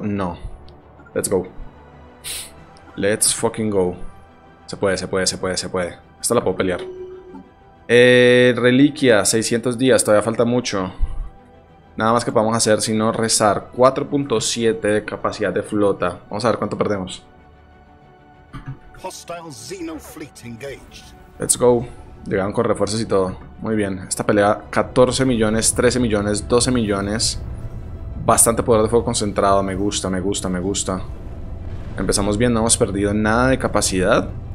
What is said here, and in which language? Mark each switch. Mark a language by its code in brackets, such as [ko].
[en] No. Let's go. Let's fucking go. [es] Se puede. Esta la puedo pelear. Reliquia, 600 días, todavía falta mucho. Nada más que podamos hacer sino rezar. 4.7 de capacidad de flota. Vamos a ver cuánto perdemos. [en] Hostile Xeno fleet engaged. Let's go. [es] Llegaron con refuerzos y todo. Muy bien. Esta pelea, 14 millones, 13 millones, 12 millones. Bastante poder de fuego concentrado. Me gusta, me gusta, me gusta. Empezamos bien, no hemos perdido nada de capacidad.